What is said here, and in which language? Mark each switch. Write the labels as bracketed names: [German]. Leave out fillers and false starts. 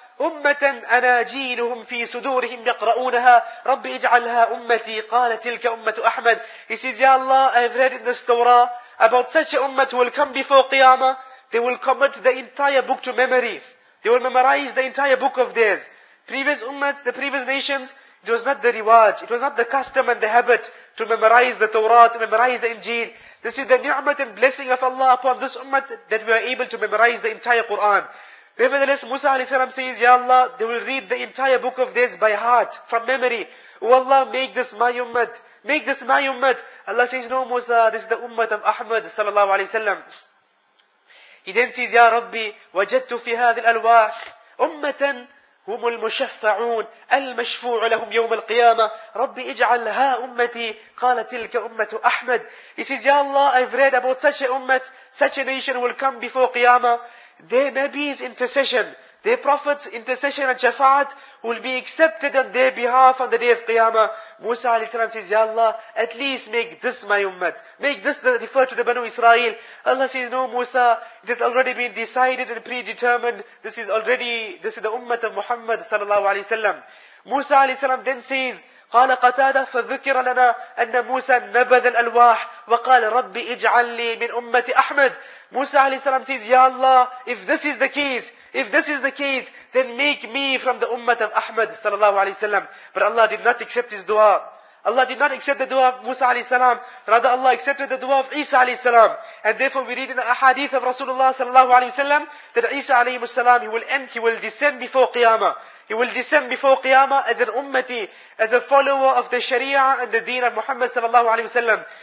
[Arabic] أمة أناجيلهم في صدورهم يقرؤونها رب اجعلها أمتي قال تلك أمة أحمد. [English] He says, Ya Allah, I've read in the Torah about such an ummah who will come before Qiyamah. They will commit the entire book to memory. They will memorize the entire book of theirs. Previous ummahs, the previous nations, it was not the riwaj, it was not the custom and the habit to memorize the Torah, to memorize the Injil. This is the ni'mat and blessing of Allah upon this ummah that we are able to memorize the entire Quran. Nevertheless, Musa alayhi salam says, Ya Allah, they will read the entire book of this by heart, from memory. Oh Allah, make this my ummah. Make this my ummah. Allah says, No Musa, this is the ummah of Ahmad sallallahu alayhi salam. He then says, [Arabic] Ya Rabbi, wajadtu fi hadhi al-alwah, ummatan هم المشفعون المشفوع لهم يوم القيامة ربي اجعلها أمتي قالت تلك أمة أحمد. [English] He says, Ya Allah, I've read about such an ummah, such a nation will come before Qiyamah. Their Nabi's intercession, their Prophet's intercession and shafa'at will be accepted on their behalf on the day of Qiyamah. Musa alayhi salam says, Ya Allah, at least make this my ummah. Make this the refer to the Banu Israel. Allah says, No Musa, it has already been decided and predetermined. This is the ummah of Muhammad sallallahu alayhi salam. Musa alayhi salam then says, [Arabic] قال قتادة فذكر لنا أن موسى نبذ الألواح وقال ربي اجعل لي من أمة أحمد. [English] موسى عليه السلام says, Ya Allah, if this is the case, then make me from the ummah of Ahmad صلى الله عليه وسلم. But Allah did not accept his dua. Allah did not accept the dua of Musa عليه السلام. Rather, Allah accepted the dua of Isa عليه السلام. And therefore, we read in the ahadith of Rasulullah صلى الله عليه وسلم that Isa عليه السلام, he will descend before Qiyamah as an ummati, as a follower of the Sharia and the deen of Muhammad sallallahu alayhi wa sallam.